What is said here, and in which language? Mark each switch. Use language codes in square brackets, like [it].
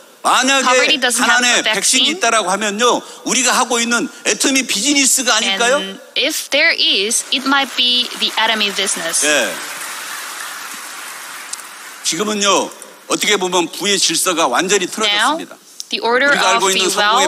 [ko] 만약에 가난에 백신이 있다라고 하면요, 우리가 하고 있는 애터미 비즈니스가 아닐까요? [en] And if there is, it might be the Atomy business. [ko] 예. 지금은요, 어떻게 보면 부의 질서가 완전히 틀어졌습니다. [en] Now, the order of [ko] 우리가 알고 있는 성공의